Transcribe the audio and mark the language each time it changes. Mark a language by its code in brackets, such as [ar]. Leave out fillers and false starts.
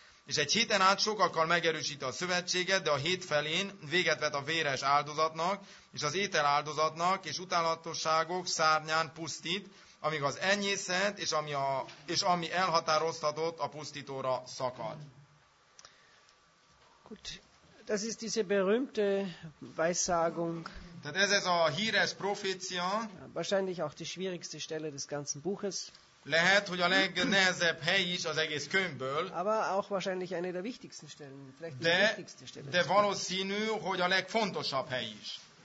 [hu] És egy héten át sokakkal megerősíti a szövetséget, de a hét felén véget vet a véres áldozatnak, és az étel áldozatnak, és utálatosságok szárnyán pusztít, amíg az enyészet, és ami elhatároztatott a pusztítóra szakad. [de] Gut. Das ist diese berühmte Weissagung. [hu] Tehát ez a híres profécia. [de] Wahrscheinlich auch die schwierigste Stelle des ganzen Buches. [hu] Lehet, hogy a legnehezebb hely is az egész könyvből. [de] Aber auch wahrscheinlich eine der wichtigsten Stellen, vielleicht die wichtigste Stelle. [hu] De valószínű, hogy a legfontosabb hely is.